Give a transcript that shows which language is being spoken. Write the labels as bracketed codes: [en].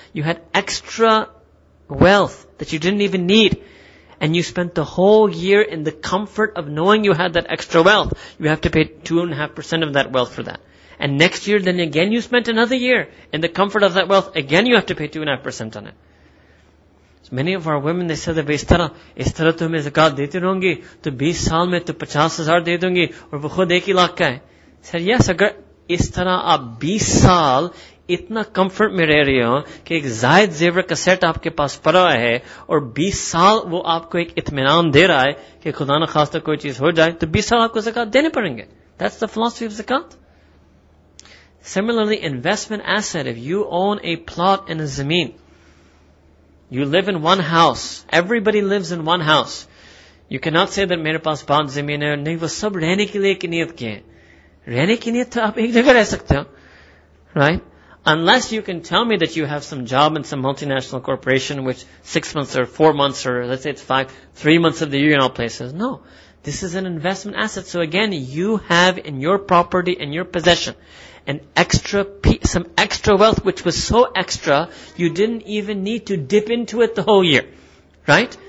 [en] You had extra wealth that you didn't even need. And you spent the whole year in the comfort of knowing you had that extra wealth. You have to pay 2.5% of that wealth for that. And next year, then again you spent another year in the comfort of that wealth. Again you have to pay 2.5% on it. So many of our women, they say that [ur] اس طرح تمہیں زکات دیتی رہوں گی, تو 20 سال میں تو 50,000 دے دوں گی, اور وہ خود 1 لاکھ کا ہے. [en] Said, yes, [ur] اگر اس طرح آپ 20 سال اتنا comfort میں رہ رہے ہو کہ ایک زائد زیور کا set آپکے پاس پڑا ہے اور 20 سال وہ آپکو ایک اطمینان دے رہا ہے کہ خدا نہ خواستہ کوئی چیز ہو جائے تو 20 سال آپکو زکات دینے پڑیں گے. [en] That's the philosophy of zakat. Similarly, investment asset, if you own a plot and a زمین, you live in one house, everybody lives in one house, you cannot say that [ur] میرے پاس پانچ زمین ہے, نہیں, وہ سب رہنے کے لیے کی نیت کی ہے. رہنے کی نیت تو آپ ایک جگہ رہ سکتے ہو, right? [en] Unless you can tell me that you have some job in some multinational corporation which 6 months or 4 months or let's say it's 5, 3 months of the year in all places. No. This is an investment asset. So again, you have in your property and your possession an extra some extra wealth which was so extra you didn't even need to dip into it the whole year, right?